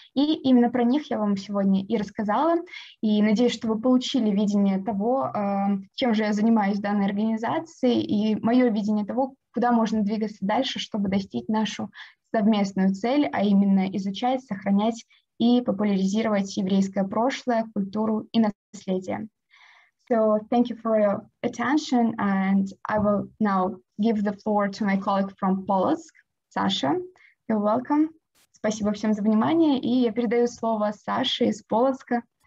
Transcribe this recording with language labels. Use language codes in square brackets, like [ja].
[ru] И именно про них я вам сегодня и рассказала. И надеюсь, что вы получили видение того, чем же я занимаюсь в данной организации, и мое видение того, куда можно двигаться дальше, чтобы достичь нашу совместную цель, а именно изучать, сохранять и популяризировать еврейское прошлое, культуру и наследие. [en] So thank you for your attention, and I will now give the floor to my colleague from Polsk, Sasha. You're welcome. [ru] Спасибо всем за внимание, и я передаю слово Саше из Полоцка.